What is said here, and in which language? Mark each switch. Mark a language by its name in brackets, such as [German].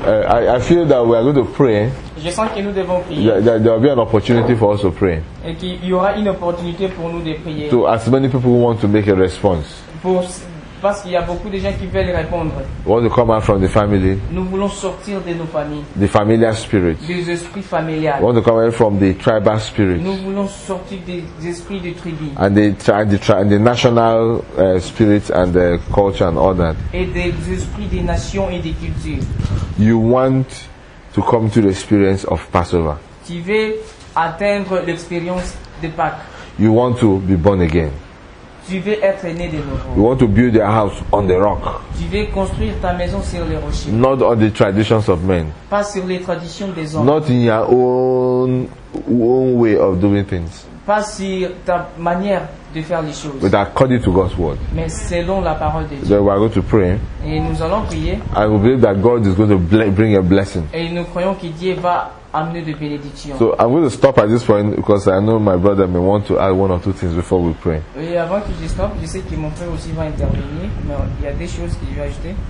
[English] I feel that we are going to pray. [French] Je sens que nous devons prier. [English] That there will be an opportunity for us to pray. [French] Et qu'il y aura une opportunité pour nous de prier. [English] To as many people who want to make a response. [French] Pour Parce qu'il y a beaucoup de gens qui veulent répondre. [English] Want to come out from the family. [French] Nous voulons sortir de nos familles. [English] The familiar spirit. [French] Des esprits familiales. [English] Want to come out from the tribal spirit. [French] Nous voulons sortir des esprits de tribu. [English] And the national spirit and the culture and all that. [French] Et des esprits des nations et des cultures. [English] You want to come to the experience of Passover. [French] Tu veux atteindre l'expérience de Pâques. [English] You want to be born again. [French] Tu veux être né de nouveau. [English] You want to build your house on the rock. [French] Tu veux construire ta maison sur les rochers. [English] Not on the traditions of men. [French] Pas sur les traditions des hommes. [English] Not in your own way of doing things. [French] Pas sur ta manière de faire les choses. [English] But according to God's word. [French] Mais selon la parole de Dieu. [English] So we are going to pray. [French] Et nous allons prier. [English] I believe that God is going to bring a blessing. [French] Et nous croyons que Dieu va amener des bénédictions. [English] So I'm going to stop at this point because I know my brother may want to add one or two things before we pray. [French] Et avant que je stoppe, je sais que mon frère aussi va intervenir, mais il y a des choses que je vais ajouter.